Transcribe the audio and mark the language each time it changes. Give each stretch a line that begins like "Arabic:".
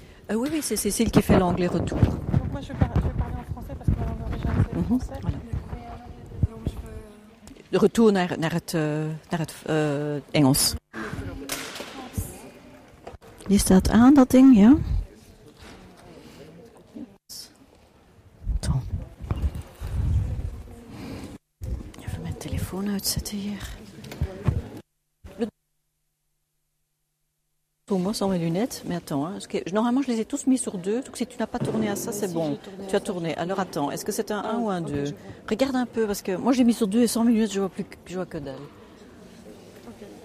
French: Oui, oui, c'est Cécile qui fait l'anglais retour. Donc moi, je vais parler en français parce que ma langue originale, c'est le français. Voilà. Donc je veux... Le retour
Dutch: naar het Engels. Is dat aan, dat ding, ja?
French: Attends.
Dutch: Even mijn telefoon uitzetten hier.
French: Moi sans mes lunettes, mais attends, hein, parce que normalement je les ai tous mis sur 2, donc si tu n'as pas tourné à ça, c'est si bon, tu as ça, tourné, alors attends, est-ce que c'est un 1 ou un 2, okay, regarde un peu, parce que moi j'ai mis sur 2 et sans mes lunettes, je vois que dalle, okay.